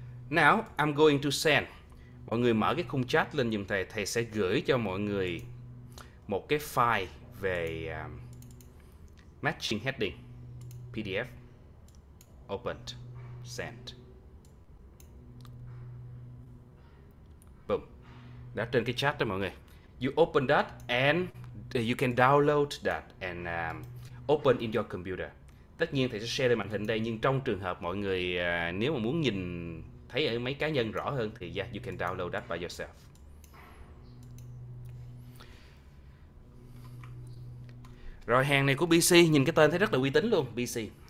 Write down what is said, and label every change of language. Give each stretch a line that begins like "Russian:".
English: Now I'm going to send.
Vietnamese: Mọi người mở cái khung chat lên giùm thầy, thầy sẽ gửi cho mọi người một cái file về matching heading PDF.
English: Opened, sent.
Vietnamese: Boom. Đã trên cái chat đó mọi người.
English: You open that and you can download that and open in your computer.
Vietnamese: Tất nhiên thầy sẽ share lên màn hình đây, nhưng trong trường hợp mọi người nếu mà muốn nhìn thấy ở máy cá nhân rõ hơn thì yeah,
English: you can download that by yourself.
Vietnamese: Rồi hàng này của BC, nhìn cái tên thấy rất là uy tín luôn, BC.